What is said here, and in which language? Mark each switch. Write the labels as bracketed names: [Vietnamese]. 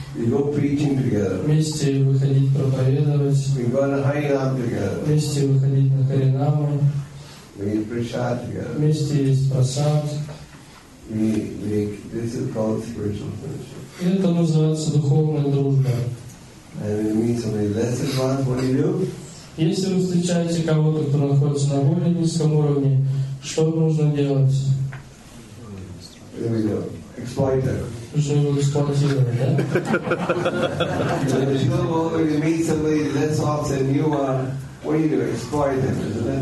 [English] We go preaching together. [Russian] Вместе выходить проповедовать. [English] We go to Харинам together. [Russian] Вместе выходить на Харинаму. [English] We eat prasad together. [Russian] Вместе есть прасад. [English] We make, this is called spiritual friendship. [Russian] И это называется духовная дружба. [English] And we meet somebody less advanced, what do you do? [Russian] Если вы встречаете кого-то, кто находится на более низком уровне, что нужно делать? [English] There we go. Exploit them. [Russian] Живо эксплуатировать, да? [English] If you meet somebody less off than you are, what do you do? Exploit them, isn't it?